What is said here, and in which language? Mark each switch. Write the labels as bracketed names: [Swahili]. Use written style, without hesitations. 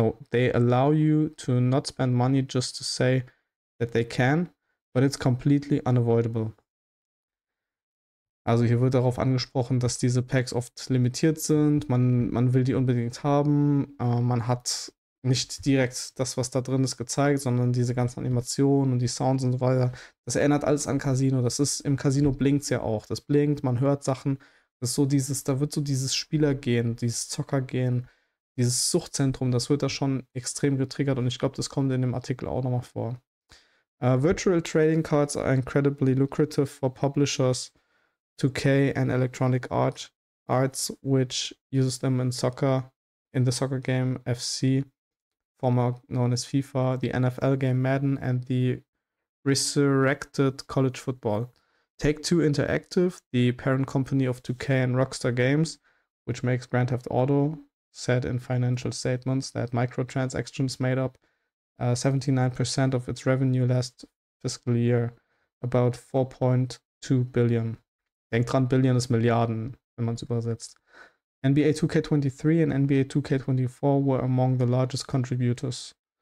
[English] They allow you to not spend money just to say that they can, but it's completely unavoidable. [German] Also hier wird darauf angesprochen, dass diese Packs oft limitiert sind, man will die unbedingt haben, man hat nicht direkt das, was da drin ist, gezeigt, sondern diese ganzen Animationen und die Sounds und so weiter. Das erinnert alles an Casino, das ist, im Casino blinkt es ja auch, das blinkt, man hört Sachen, das ist so dieses, da wird so dieses Spielergehen, dieses Zockergehen, dieses Suchtzentrum, das wird da schon extrem getriggert und ich glaube, das kommt in dem Artikel auch nochmal vor. [English] Virtual Trading Cards are incredibly lucrative for publishers, 2K and Electronic Arts, which uses them in the soccer game FC, former known as FIFA, the NFL game Madden, and the resurrected college football. Take-Two Interactive, the parent company of 2K and Rockstar Games, which makes Grand Theft Auto, said in financial statements that microtransactions made up 79% of its revenue last fiscal year, about 4.2 billion. [German] Denk dran, Billion ist Milliarden, wenn man es übersetzt. [English] NBA 2K23 and NBA 2K24 were among the largest contributors.